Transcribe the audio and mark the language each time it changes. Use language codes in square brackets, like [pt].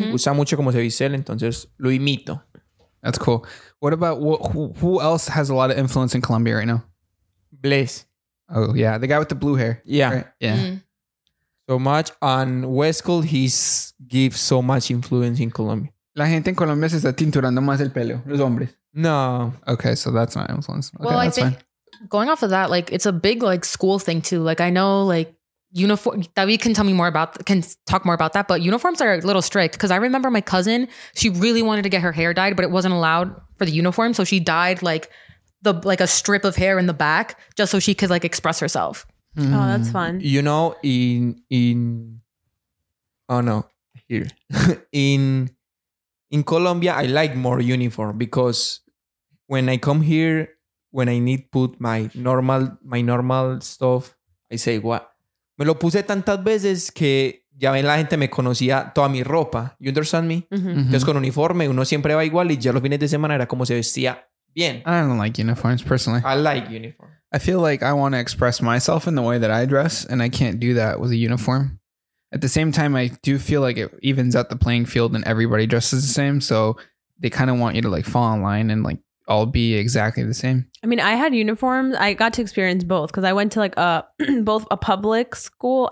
[es] Me gusta mucho como se viste él, entonces lo imito. [en] That's cool. What about who else has a lot of influence in Colombia right now? Bless. Oh, yeah. The guy with the blue hair. Yeah. Right? Yeah. Mm-hmm. So much. And Westcold, he gives so much influence in Colombia. [es] La gente en Colombia se está tinturando más el pelo, los hombres. No. [en] Okay, so that's not influence. Okay, well, that's fine. Going off of that, like, it's a big, like, school thing, too. Like, I know, like, uniform, David can tell me more about, can talk more about that, but uniforms are a little strict, because I remember my cousin, she really wanted to get her hair dyed, but it wasn't allowed for the uniform, so she dyed, like, a strip of hair in the back, just so she could, like, express herself. Mm. Oh, that's fun. You know, in Colombia, I like more uniform because when I come here, when I need put my normal stuff, I say, what? [es] Me lo puse tantas veces que ya ven la gente me conocía toda mi ropa. [en] You understand me? Mm-hmm. Mm-hmm. [es] Entonces con uniforme, uno siempre va igual y ya los fines de semana era como se vestía bien. [en] I don't like uniforms personally. I like uniform. I feel like I want to express myself in the way that I dress and I can't do that with a uniform. At the same time, I do feel like it evens out the playing field and everybody dresses the same. So they kind of want you to like fall in line and like all be exactly the same. I mean, I had uniforms. I got to experience both because I went to like a public school.